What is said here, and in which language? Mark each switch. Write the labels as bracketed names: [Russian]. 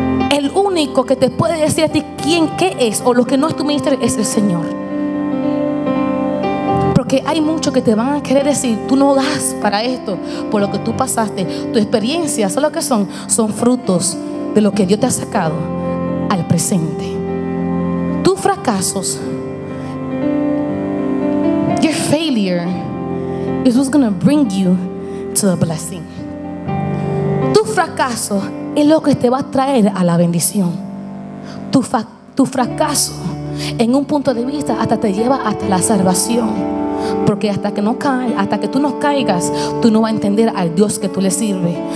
[Spanish] El único que te puede decir a ti quién qué es o lo que no es tu ministerio es el Señor. Porque hay muchos que te van a querer decir, tú no das para esto, por lo que tú pasaste, tu experiencia, ¿sabes lo que son? Son frutos de lo que Dios te ha sacado al presente. Tus fracasos, [English] your failure is what's going to bring you to the blessing. [Spanish] Tu fracaso es lo que te va a traer a la bendición. Tu fracaso, en un punto de vista, hasta te lleva hasta la salvación. Porque hasta que tú no caigas, tú no vas a entender al Dios que tú le sirves.